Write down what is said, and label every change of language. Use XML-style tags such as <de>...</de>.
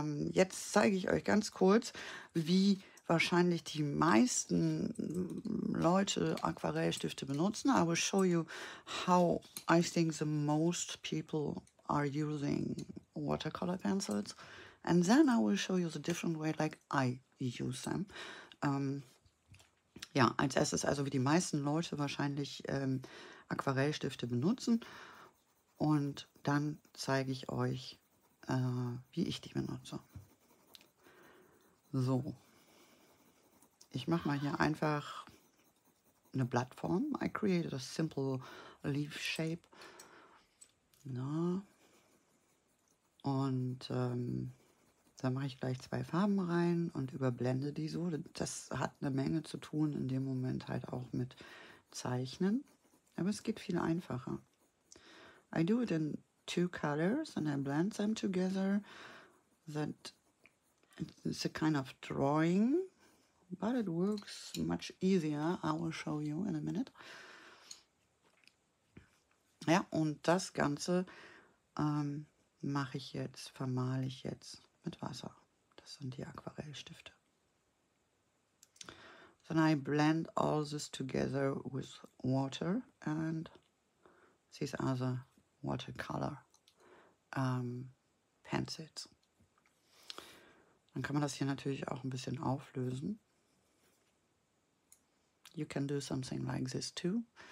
<de>Jetzt zeige ich euch ganz kurz, wie wahrscheinlich die meisten Leute Aquarellstifte benutzen.</de> <en>I will show you how I think the most people are using watercolor pencils. And then I will show you the different way like I use them.</en> <de>Ja, als erstes, also wie die meisten Leute wahrscheinlich Aquarellstifte benutzen. Und dann zeige ich euch, wie ich die benutze. So, ich mache mal hier einfach eine Plattform.</de> <en>I created a simple leaf shape. Na.</en> <de>Und dann mache ich gleich zwei Farben rein und überblende die so. Das hat eine Menge zu tun in dem Moment halt auch mit Zeichnen. Aber es geht viel einfacher.</de> <en>I do it in two colors and I blend them together. That it's a kind of drawing, but it works much easier. I will show you in a minute.</en> <de>Ja, und das Ganze mache ich jetzt, vermale ich jetzt mit Wasser. Das sind die Aquarellstifte.</de> <en>Then I blend all this together with water and these are the watercolor pencils.</en> <de>Dann kann man das hier natürlich auch ein bisschen auflösen.</de> <en>You can do something like this too.</en>